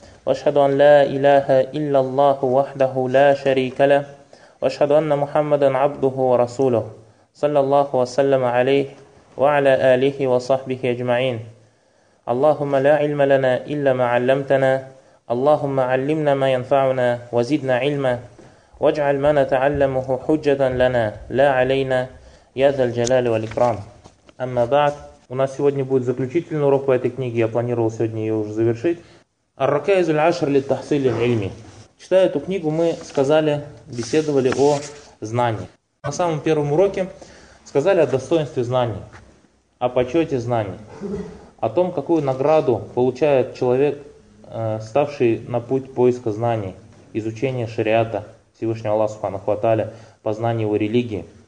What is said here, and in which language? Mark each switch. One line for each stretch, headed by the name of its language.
Arabic: وأشهد أن لا إله إلا الله وحده لا شريك له، وأشهد أن محمدا عبده ورسوله، صلى الله وسلم عليه وعلى آله وصحبه أجمعين. اللهم لا علم لنا إلا ما علمتنا، اللهم علمنا ما ينفعنا وزدنا علما، واجعل ما نتعلمه حجة لنا لا علينا يا ذا الجلال والإكرام. أما بعد،
Russian: у нас сегодня будет заключительный урок по этой книге, я планировал сегодня ее уже завершить.
Arabic: الركائز العشر للتحصيل العلمي.
Russian: Читая эту книгу, мы сказали, беседовали о знании. На самом первом уроке сказали о достоинстве знаний, о почете знаний, о том, какую награду получает человек, ставший на путь поиска знаний, изучения шариата Всевышнего Аллаха Субханаху ва Тааля, познания его религии.